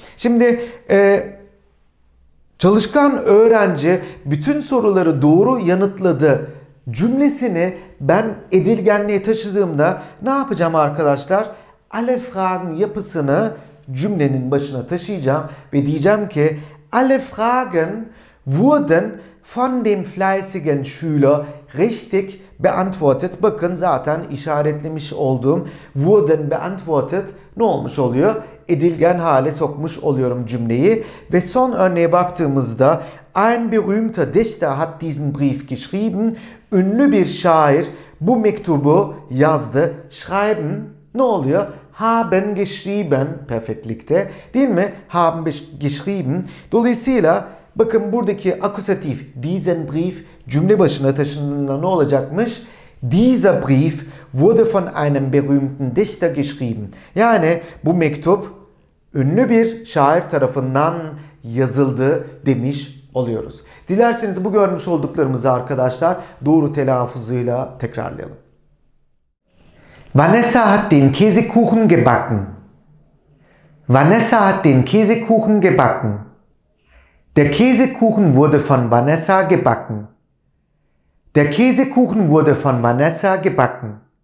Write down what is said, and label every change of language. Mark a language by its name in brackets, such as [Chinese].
[Turkish] Şimdi çalışkan öğrenci bütün soruları doğru yanıtladı cümlesini ben edilgenliğe taşıdığımda ne yapacağım arkadaşlar? [German] Alle Fragen [Turkish] yapısını cümlenin başına taşıyacağım ve diyeceğim ki [German] alle Fragen wurden von dem fleißigen Schüler richtig beantwortet. [Turkish] Bakın zaten işaretlemiş olduğum [German] wurden beantwortet [Turkish] ne olmuş oluyor? Edilgen hale sokmuş oluyorum cümleyi. Ve son örneğe baktığımızda [German] ein berühmter Dichter hat diesen Brief geschrieben. [Turkish] Ünlü bir şair bu mektubu yazdı. Schreiben ne oluyor? [German] Haben geschrieben [Turkish] perfektlikte. Değil mi? [German] Haben geschrieben. [Turkish] Dolayısıyla bakın buradaki akusatif [German] diesen Brief [Turkish] cümle başına taşındığında ne olacakmış? [German] Dieser Brief wurde von einem berühmten Dichter geschrieben. [Turkish] Yani bu mektup ünlü bir şair tarafından yazıldı demiş oluyoruz. Dilerseniz bu görmüş olduklarımızı arkadaşlar doğru telaffuzuyla tekrarlayalım. [German] Vanessa hat den Käsekuchen gebacken. Vanessa hat den Käsekuchen gebacken. Der Käsekuchen wurde von Vanessa gebacken. Der Käsekuchen wurde von Vanessa gebacken.